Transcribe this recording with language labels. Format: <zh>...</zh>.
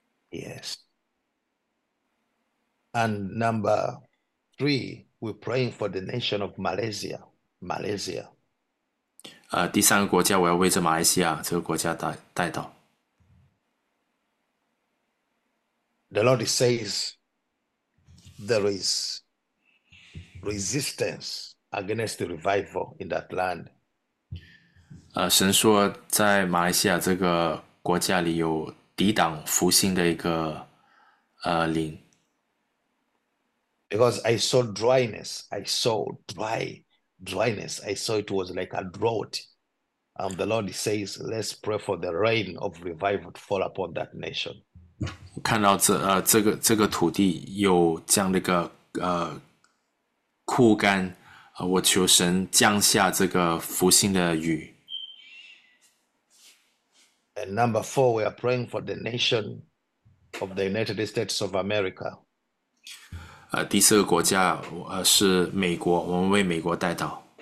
<en>Yes. And number three, we're praying for the nation of Malaysia. Malaysia.</en> <zh>第三个国家，我要为着马来西亚这个国家代祷。</zh> <en>The Lord says there is resistance against the revival in that land.</en> <zh>神说，在马来西亚这个国家里有抵挡复兴的一个灵。</zh> <en>Because I saw dryness, I saw dryness, I saw it was like a drought. The Lord says, let's pray for the rain of revival to fall upon that nation.</en> <zh>看到这个土地有这样的一个枯干我求神降下这个复兴的雨。</zh> <en>And number four, we are praying for the nation of the United States of America.</en> <zh>第四个国家，是美国，我们为美国代祷。</zh>